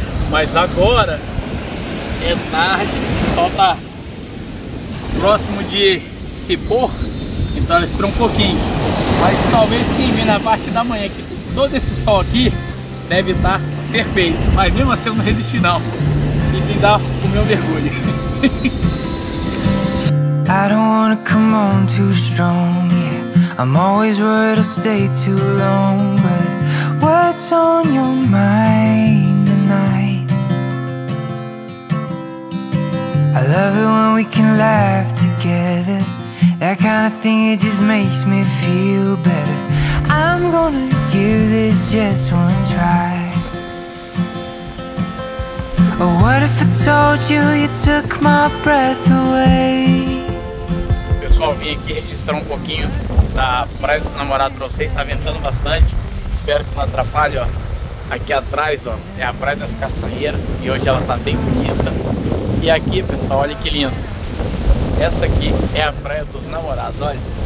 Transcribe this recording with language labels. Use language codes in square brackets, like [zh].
[pt] Mas agora é tarde, o sol tá próximo de se pôr, então ela esperou um pouquinho. Mas talvez quem vem na parte da manhã, que todo esse sol aqui deve estar perfeito. Mas mesmo assim eu não resisti não. E me dá o meu mergulho. [en] I don't wanna come on too strong. I'm always worried I'll stay too long, but what's on your mind tonight? I love it when we can laugh together. That kind of thing, it just makes me feel better. I'm gonna give this just one try. Oh, what if I told you you took my breath away? [pt] Pessoal, vim aqui registrar um pouquinho da Praia dos Namorados pra vocês. Tá ventando bastante, espero que não atrapalhe, ó. Aqui atrás, ó, é a Praia das Castanheiras e hoje ela tá bem bonita. E aqui, pessoal, olha que lindo. Essa aqui é a Praia dos Namorados, olha.